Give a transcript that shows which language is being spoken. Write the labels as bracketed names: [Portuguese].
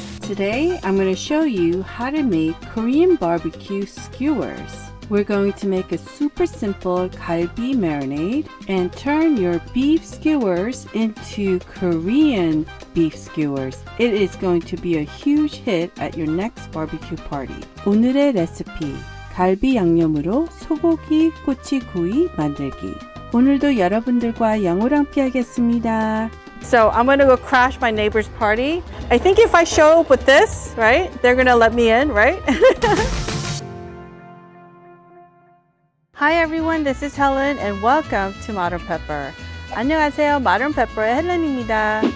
[English] Today, I'm gonna show you how to make Korean BBQ skewers. We're going to make a super simple galbi marinade and turn your beef skewers into Korean beef skewers. It is going to be a huge hit at your next barbecue party. [Korean] 오늘의 레시피, 갈비 양념으로 소고기 꼬치구이 만들기. 오늘도 여러분들과 영어로 함께하겠습니다. [English] So I'm gonna go crash my neighbor's party. I think if I show up with this, right, they're gonna let me in, right? Hi everyone, this is Helen and welcome to Modern Pepper. [Korean] 안녕하세요, Modern Pepper의 헬렌입니다.